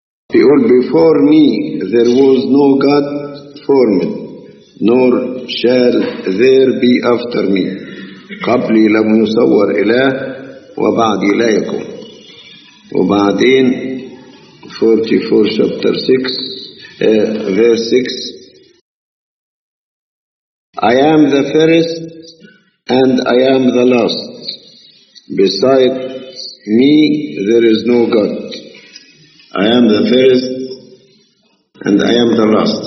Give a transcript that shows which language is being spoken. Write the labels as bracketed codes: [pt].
[en] For before me there was no God formed, nor shall there be after me. [ar] قبلي لم يصور إله وبعدي لا يكون. وبعدين [en] 44 chapter 6 verse 6 I am the first and I am the last. Beside me there is no God. I am the first and I am the last.